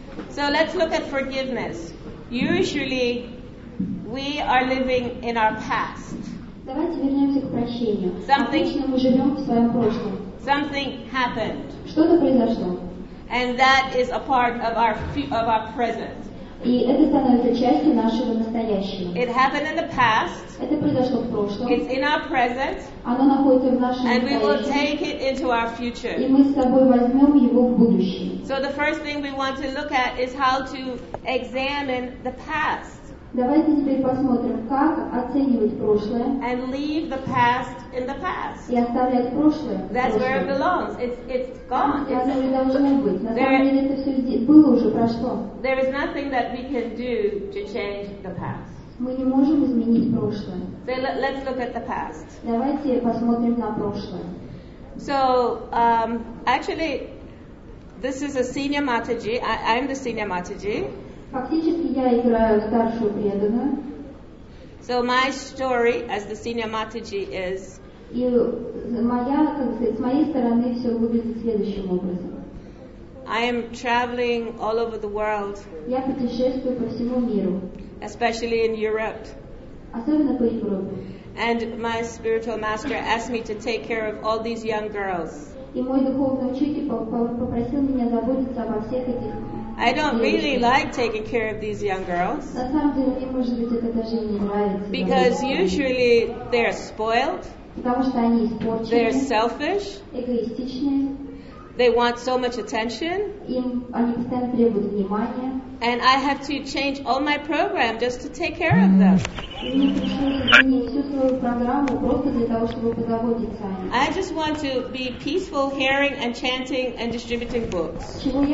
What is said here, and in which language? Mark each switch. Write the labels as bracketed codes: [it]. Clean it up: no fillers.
[en] So let's look at forgiveness. Usually we are living in our past. [ru] Давайте вернемся к прощению. Обычно мы живем в своем прошлом. [en] Something happened. [ru] Что-то произошло. [en] And that is a part of our present. [ru] И это становится частью нашего настоящего. [en] It happened in the past. [ru] Это произошло в прошлом. [en] It's in our present. [ru] Оно находится в нашем настоящем. [en] And we will take it into our future. [ru] И мы с собой возьмем его в будущее. [en] So the first thing we want to look at is how to examine the past. [ru] Давайте теперь посмотрим, как оценивать прошлое. [en] And leave the past in the past. [ru] И оставлять прошлое. [en] That's where it belongs. It's gone. [ru] Там, где оно не должно быть. На самом деле это все было уже, прошло. [en] There is nothing that we can do to change the past. [ru] Мы не можем изменить прошлое. [en] So let's look at the past. [ru] Давайте посмотрим на прошлое. [en] So, actually, this is a senior Mataji. I'm the senior Mataji. [ru] Фактически я играю старшую преданную. [en] So my story as the senior Mataji is. [ru] И моя, как сказать, с моей стороны все выглядит следующим образом. [en] I am traveling all over the world. [ru] Я путешествую по всему миру. [en] Especially in Europe. [ru] Особенно по Европе. [en] And my spiritual master asked me to take care of all these young girls. [ru] И мой духовный учитель попросил меня заботиться обо всех этих. [en] I don't really like taking care of these young girls. [ru] На самом деле, мне, может быть, это даже не нравится. [en] Because usually they're spoiled. [ru] Потому что они испорчены. [en] They're selfish. [ru] Эгоистичные. [en] They want so much attention. [ru] Им, они постоянно требуют внимания. [en] And I have to change all my program just to take care of them. I just want to be peaceful, hearing and chanting and distributing books.